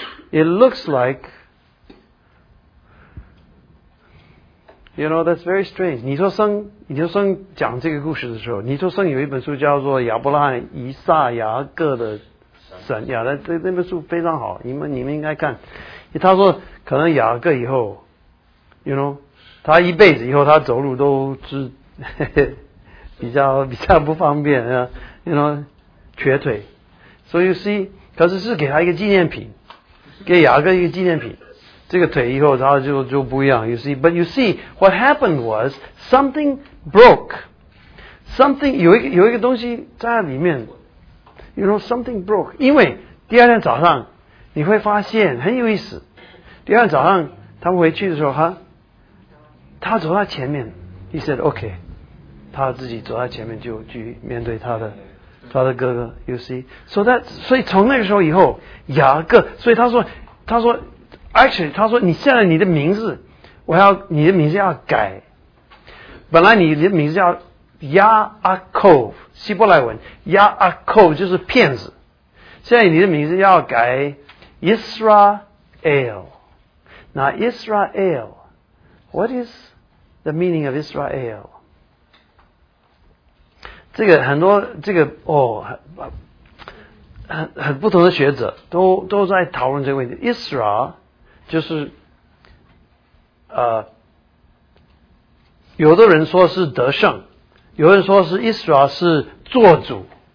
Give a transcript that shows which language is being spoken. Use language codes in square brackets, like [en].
[en] It looks like,You know, that's very strange. [zh] 你说生讲这个故事的时候，你说生有一本书叫做亚伯拉罕以撒雅各的神，亚的这本书非常好，你们应该看。他说可能雅各以后 , [en] you know, [zh] 他一辈子以后他走路都是比较不方便 ,you know, 瘸腿。 [en] So you see, [zh] 可是是给他一个纪念品，给雅各一个纪念品。这个腿以后他就不一样 [en] you see. But you see, what happened was, something broke. Something, [zh] 有一个东西在里面。 [en] You know, something broke. [zh] 因为第二天早上你会发现很有意思。第二天早上他们回去的时候他走在前面。 [en] He said, okay. [zh] 他自己走在前面就去面对他的哥哥 [en] you see. So that, [zh] 所以从那个时候以后雅各，所以他说 [en] Actually, [zh] 他说你现在你的名字我要你的名字要改。本来你的名字叫 Yaakov, 希伯来文 ,Yaakov 就是骗子。现在你的名字要改 Israel。 [en] 那 Israel, what is the meaning of Israel? [zh] 这个很多这个哦很不同的学者都在讨论这个问题。 Israel,就是有的人说是得胜，有人说是 Israel 是做主。